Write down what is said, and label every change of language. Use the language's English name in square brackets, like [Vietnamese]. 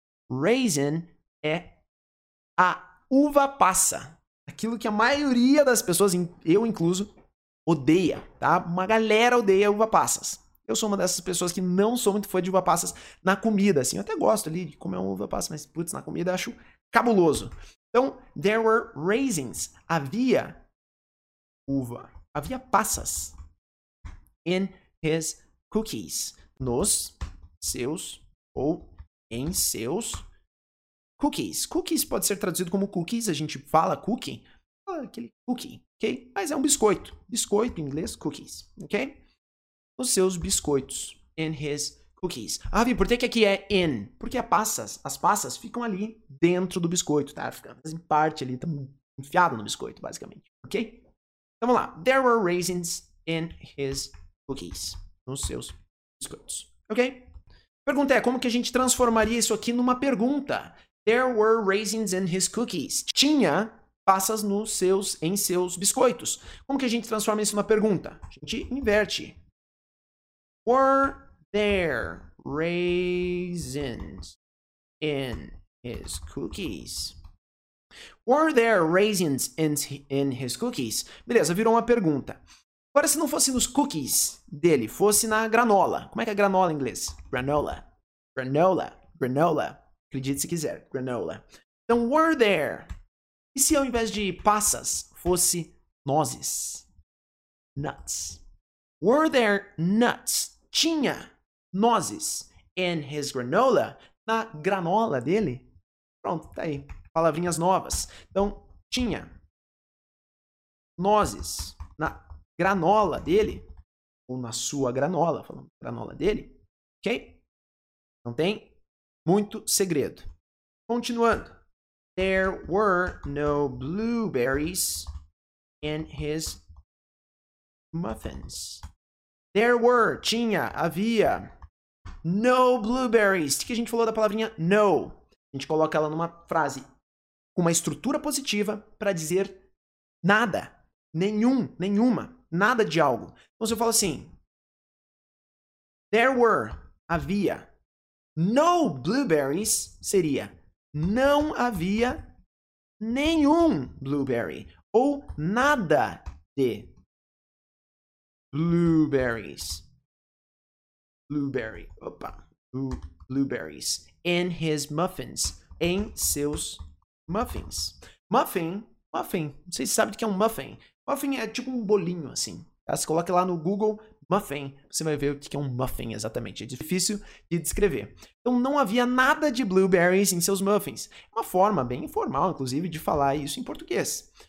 [Portuguese] Raisin é a uva passa, aquilo que a maioria das pessoas, eu incluso, odeia, tá? Uma galera odeia uva passas. Eu sou uma dessas pessoas que não sou muito fã de uva passas na comida, assim, eu até gosto ali de comer uma uva passa, mas putz, na comida eu acho cabuloso. Então, [English] there were raisins, [Portuguese] havia uva, havia passas. [English] In his cookies. [Portuguese] Nos seus ou em seus cookies. Cookies pode ser traduzido como cookies. A gente fala cookie. Fala aquele cookie, ok? Mas é um biscoito. Biscoito em inglês, cookies, ok? Nos seus biscoitos. [English] In his cookies. [Portuguese] Ah, Vi, por que aqui é in? Porque as passas ficam ali dentro do biscoito, tá? Ficam em parte ali, estão enfiadas no biscoito, basicamente, ok? Então, vamos lá. [English] There were raisins in his cookies, [Portuguese] nos seus biscoitos. Ok? Pergunta é, como que a gente transformaria isso aqui numa pergunta? [English] There were raisins in his cookies. [Portuguese] Tinha passas nos seus, em seus biscoitos. Como que a gente transforma isso numa pergunta? A gente inverte. [English] Were there raisins in his cookies? Were there raisins in his cookies? [Portuguese] Beleza, virou uma pergunta. Agora, se não fosse nos cookies dele, fosse na granola. Como é que é granola em inglês? Granola. Granola. Granola. Acredite se quiser. Granola. [English] Então, were there? [Portuguese] E se ao invés de passas, fosse nozes? [English] Nuts. Were there nuts? [Portuguese] Tinha nozes [English] in his granola? [Portuguese] Na granola dele? Pronto, tá aí. Palavrinhas novas. Então, tinha nozes na granola dele, ou na sua granola, falando granola dele, ok? Não tem muito segredo. Continuando. [English] There were no blueberries in his muffins. There were, [Portuguese] tinha, havia, [English] no blueberries. [Portuguese] O que a gente falou da palavrinha no? A gente coloca ela numa frase com uma estrutura positiva para dizer nada, nenhum, nenhuma. Nada de algo. Então, se eu falo assim, [English] there were, [Portuguese] havia, [English] no blueberries, [Portuguese] seria, não havia nenhum blueberry, ou nada de blueberries. [English] Blueberry, opa, blueberries, in his muffins, [Portuguese] em seus muffins. Muffin, muffin, vocês sabem o que é um muffin. Muffin é tipo um bolinho, assim. Você coloca lá no Google, muffin, você vai ver o que é um muffin, exatamente. É difícil de descrever. Então, não havia nada de blueberries em seus muffins. Uma forma bem informal, inclusive, de falar isso em português.